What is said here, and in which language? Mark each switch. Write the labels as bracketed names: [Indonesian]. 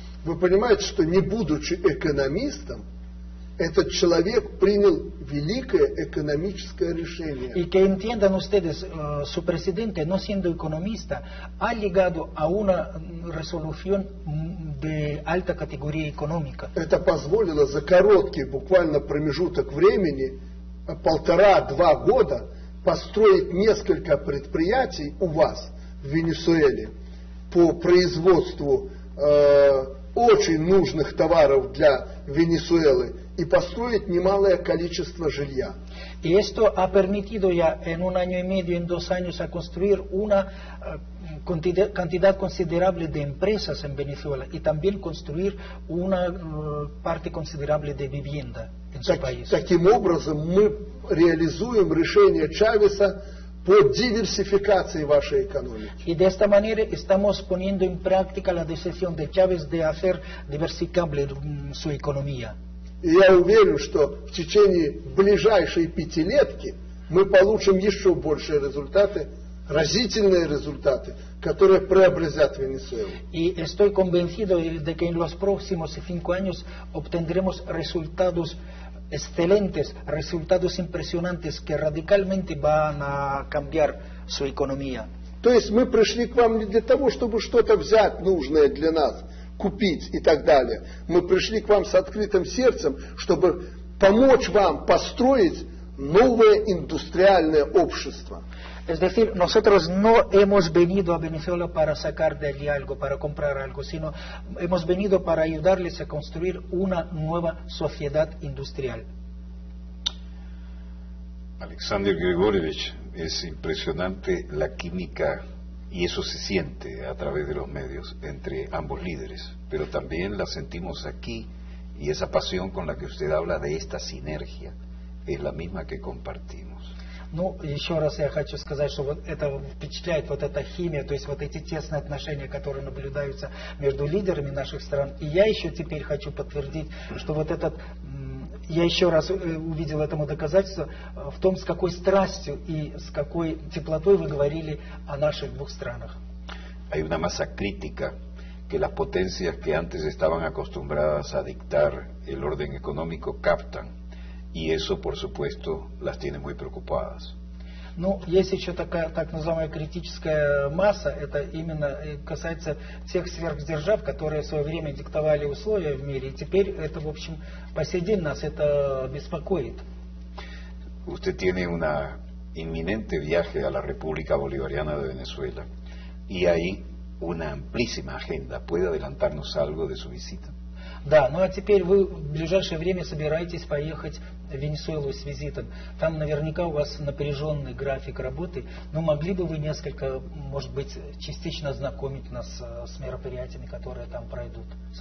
[Russian] Вы понимаете, что не будучи экономистом, этот человек принял великое экономическое решение. [Spanish] Y que entiendan ustedes, su presidente, no siendo economista, ha llegado a una resolución de alta categoría económica. [Russian] Это позволило за короткий буквально промежуток времени, полтора-два года, построить несколько предприятий у вас в Венесуэле по производству очень нужных товаров для Венесуэлы [Spanish] y construir [Russian] немалое количество жилья. [Spanish] Y esto ha permitido ya en un año y medio, en dos años, a construir una cantidad considerable de empresas en Venezuela y también construir una parte considerable de vivienda en su país. [Russian] Таким образом мы реализуем решение Чавеса по диверсификации вашей экономики. [Spanish] Y de esta manera estamos poniendo en práctica la decisión de Chávez de hacer diversificable su economía. [Russian] И я уверен, что в течение ближайшей пятилетки мы получим еще большие результаты, разительные результаты, которые преобразят Венесуэлу. И [Spanish] estoy convencido de que en los próximos 5 años obtendremos resultados excelentes, resultados impresionantes que radicalmente van a cambiar su economía. [Russian] То есть мы пришли к вам не для того, чтобы что-то взять нужное для нас, купить и так далее. Мы пришли к вам с открытым сердцем, чтобы помочь вам построить новое индустриальное общество. [Spanish] Es decir, nosotros no hemos venido a Venezuela para sacar de allí algo, para comprar algo, sino hemos venido para ayudarles a construir una nueva sociedad industrial. Alexander Grigorievich, es impresionante la química, y eso se siente a través de los medios, entre ambos líderes, pero también la sentimos aquí, y esa pasión con la que usted habla de esta sinergia es la misma que compartimos. [Russian] Ну, еще раз я хочу сказать, что вот это впечатляет, вот эта химия, то есть вот эти тесные отношения, которые наблюдаются между лидерами наших стран. И я еще теперь хочу подтвердить, что вот этот, я еще раз увидел этому доказательство в том, с какой страстью и с какой теплотой вы говорили о наших двух странах. [Spanish] Hay una masa crítica que las potencias que antes estaban acostumbradas a dictar el orden económico captan. Y eso, por supuesto, las tiene muy preocupadas. [Russian] Ну, есть еще такая так называемая критическая масса, это именно касается тех сверхдержав, которые в свое время диктовали условия в мире, и теперь это, в общем, по сей день нас это беспокоит. [Spanish] Usted tiene una inminente viaje a la República Bolivariana de Venezuela, y hay una amplísima agenda. ¿Puede adelantarnos algo de su visita? [Russian] Да, ну а теперь вы в ближайшее время собираетесь поехать в Венесуэлу с визитом. Там наверняка у вас напряженный график работы, но могли бы вы несколько, может быть, частично ознакомить нас с мероприятиями, которые там пройдут с